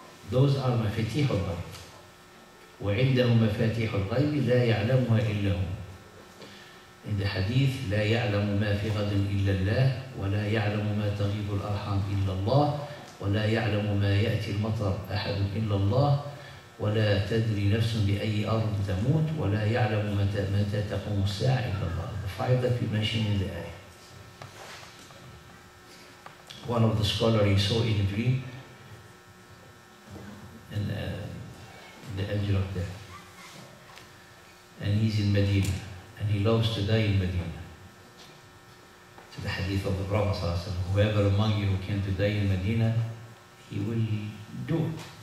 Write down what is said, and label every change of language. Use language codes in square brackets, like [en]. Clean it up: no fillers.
[en] Those are [ar] مفاتيح الغيب. وعندهم مفاتيح الغيب لا يعلمها إلا هم. [en] in the hadith [ar] لا يعلم ما في غد إلا الله ولا يعلم ما تغيب الأرحام إلا الله ولا يعلم ما يأتي المطر أحد إلا الله ولا تدري نفس بأي أرض تموت ولا يعلم متى تقوم الساعة إلا الله. [en] The five that we mentioned in the ayah. One of the scholars he saw in a dream and the angel of death. And he's in Medina and he loves to die in Medina. To the hadith of the Prophet sallallahu alaihi wasallam, whoever among you who came to die in Medina, he will do it.